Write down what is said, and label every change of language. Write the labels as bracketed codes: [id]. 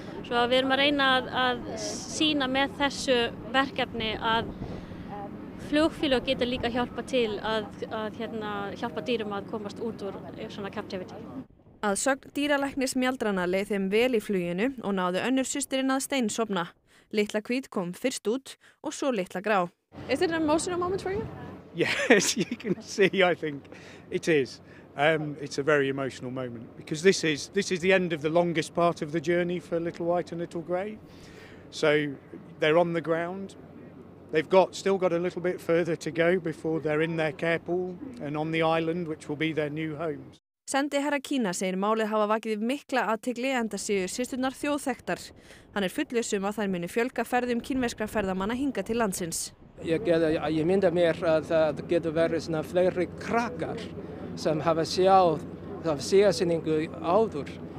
[is] Svo að við erum að reyna að sýna með þessu verkefni að flugfélög geta líka hjálpa til að hérna, hjálpa dýrum að komast út úr svona captivity. Að sögn dýralæknis mjaldrana leið þeim vel í fluginu og náði önnur systirinn að steinsofna. Litla hvít kom fyrst út og svo litla grá. [en] Is it an emotional moment for you? Yes, you can see, I think it is. It's a very emotional moment because this is the end of the longest part of the journey for Little White and Little Grey. So they're on the ground. They've still got a little bit further to go before they're in their care pool and on the island, which will be their new homes. [is] Sendiherra Kína segir málið hafa vakið mikla athygli enda séu systurnar þjóðþekktar. Hann fullviss að þær muni fjölga ferðum kínverskra ferðamanna hinga til landsins. Ég mynda mér að það getur verið svona fleiri krakkar sem hafa sjáð af síðarsýningu áður.